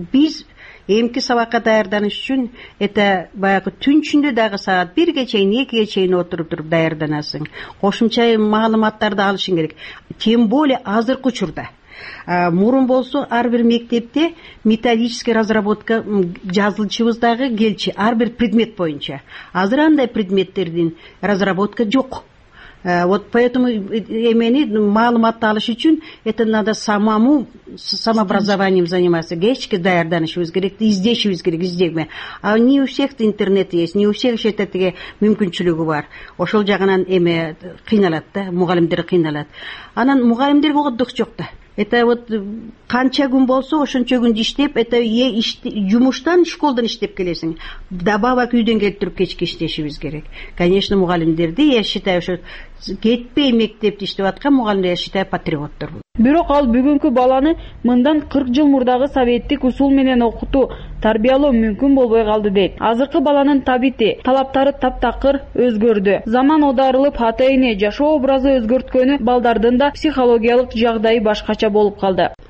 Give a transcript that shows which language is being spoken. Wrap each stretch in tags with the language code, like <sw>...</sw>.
<ky>Биз эмки сабакка даярданыш үчүн это баягы түн ичинде дагы саат 1-ге чейин, 2-ге чейин отуруп туруп даярданасың. Кошумча маалыматтарды алышың керек. Тем более азыркы учурда. Мурун болсо ар бир мектепте методический разработка жазылчубуз дагы келчи ар бир предмет боюнча. Азыр андай предметтердин разработка жок.</ky> <ru>Вот поэтому эмени маалыматты алыш үчүн это надо самому самообразованием заниматься.</ru> <ky>Кечке даярданышыбыз керек, издешибиз керек, издегме. А не у всех интернет есть, не у всех же тетиге мүмкүнчүлүгү бар. Ошол жагынан эме кыйналат да, мугалимдер кыйналат. Анан мугалимдер угуттук жок да. Это вот канча күн болсо ошончо күн иштеп, это жумуштан школдон иштеп келесиң. Добавок үйдөн келип туруп кечке иштешибиз керек. Конечно, мугалимдерди я считаю, что кетпей мектепти иштеп аткан мугалимдер я считаю патриоттор. Бирок ал бүгүнкү баланы мындан 40 жыл мурдагы советтик усул менен окутуу, тарбиялоо мүмкүн болбой калды дейт. Азыркы баланын табити, талаптары таптакыр өзгөрдү. Заман одарылып, ата-эне жашоо образы өзгөрткөнү, балдардын да психологиялык жагдайы башкача болуп калды.</ky>